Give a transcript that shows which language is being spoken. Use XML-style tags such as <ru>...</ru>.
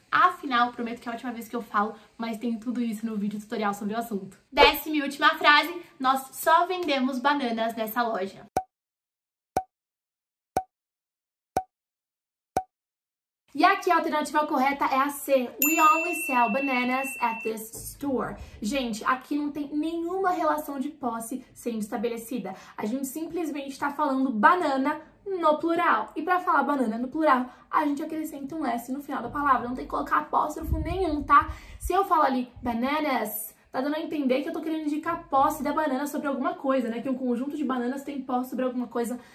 <pt>Afinal, prometo que é a última vez que eu falo, mas tem tudo isso no vídeo tutorial sobre o assunto. Décima e última frase. Nós só vendemos bananas nessa loja. E aqui a alternativa correta é a C.</pt> <en>We only sell bananas at this store.</en> <pt>Gente, aqui não tem nenhuma relação de posse sendo estabelecida. A gente simplesmente está falando banana no plural. E para falar banana no plural, a gente acrescenta um S no final da palavra. Não tem que colocar apóstrofo nenhum, tá? Se eu falo ali bananas, tá dando a entender que eu tô querendo indicar posse da banana sobre alguma coisa, né? Que um conjunto de bananas tem posse sobre alguma coisa.</pt>